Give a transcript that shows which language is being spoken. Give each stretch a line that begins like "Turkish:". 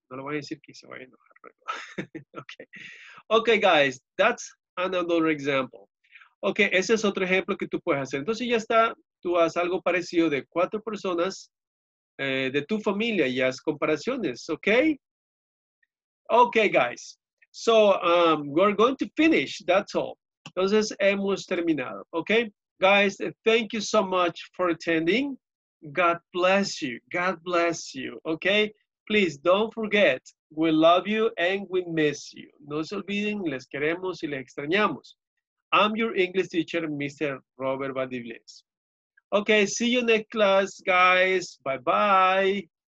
Spanish: No lo voy a decir que se vaya a enojar.
English: Okay, guys, that's another example.
Spanish: Okay, ese es otro ejemplo que tú puedes hacer. Entonces ya está, tú haces algo parecido de cuatro personas de tu familia y haces comparaciones, okay?
English: Okay, guys, so we're going to finish, that's all.
Spanish: Entonces hemos terminado, okay?
English: Guys, thank you so much for attending. God bless you, God bless you, okay? Please, don't forget, we love you and we miss you.
Spanish: No se olviden, les queremos y les extrañamos.
English: I'm your English teacher, Mr. Robert Valdivies. Okay, see you next class, guys. Bye-bye.